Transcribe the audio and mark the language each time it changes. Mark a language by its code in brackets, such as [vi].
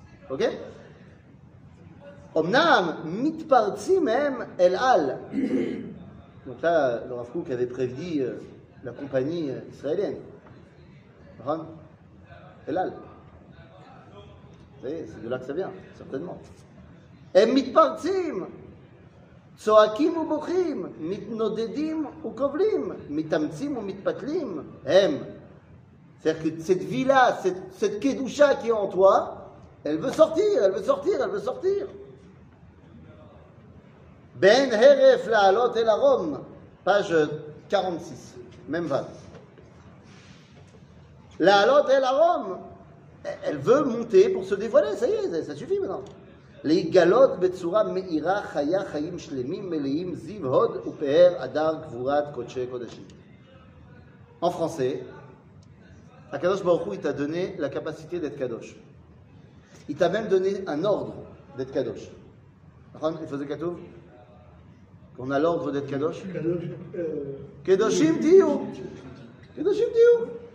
[he] Ok ? Omnam mitpartzim em el al. [fr] Donc là, le Rav Kook avait prévenu la compagnie israélienne. [he] Ram el al. [fr] Vous voyez, c'est de là que ça vient, certainement. [he] Em mitpartzim. צועקים ובוכים, מתנודדים וקובלים, מתאמצים ומתפתלים, הם. [fr] C'est-à-dire que cette vie-là, cette kedusha qui est en toi, elle veut sortir, elle veut sortir, elle veut sortir. [he] Ben Heref la'alot el arom, [fr] page 46, même 20. [he] La'alot el arom, [fr] elle veut monter pour se dévoiler, ça y est, ça suffit maintenant. [he] להיגלות בצורה מאירה חיה חיים שלמים מלאים זיו הוד ופאר אדר גבורת קודשי קודשים. [fr] En français, [he] הקדוש ברוך הוא [fr] t'a donné la capacité d'être kadosh. Il t'a même donné un ordre d'être kadosh. [he] נכון? איפה זה כתוב? [fr] On a l'ordre d'être kadosh? [he] קדושים תהיו. קדושים תהיו.